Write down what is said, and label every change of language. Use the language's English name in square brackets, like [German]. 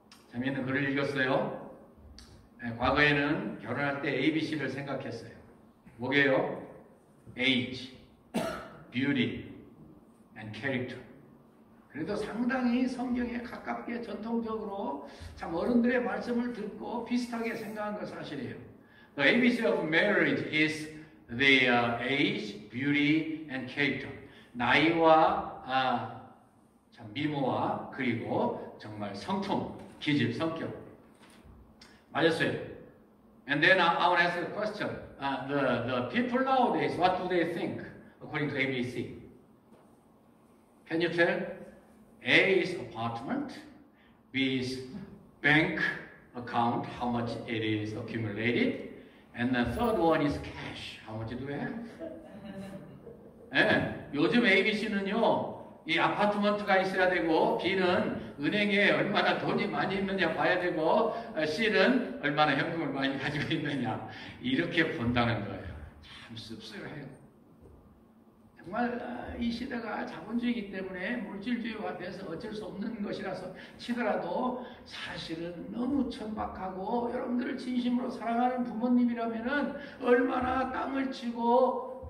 [Korean] 재미있는 글을 읽었어요. 네, 과거에는 결혼할 때 ABC를 생각했어요. 뭐게요? [English] Age, Beauty, and Character. [Korean] 그래도 상당히 성경에 가깝게 전통적으로 참 어른들의 말씀을 듣고 비슷하게 생각한 건 사실이에요. [English] The ABC of marriage is the age, beauty, and character. [Korean] 나이와 참 미모와 그리고 정말 성품, 기질, 성격. 맞았어요. [English] And then I want to ask a question. The people nowadays, what do they think according to ABC? Can you tell? A is apartment, B is bank account, how much it is accumulated, and the third one is cash, how much do we have? [Korean] 네, 요즘 ABC는요, 이 아파트먼트가 있어야 되고, B는 은행에 얼마나 돈이 많이 있느냐 봐야 되고, C는 얼마나 현금을 많이 가지고 있느냐, 이렇게 본다는 거예요. 참 씁쓸해요. 정말 이 시대가 자본주의이기 때문에 물질주의화 돼서 어쩔 수 없는 것이라서 치더라도 사실은 너무 천박하고 여러분들을 진심으로 사랑하는 부모님이라면 얼마나 땅을 치고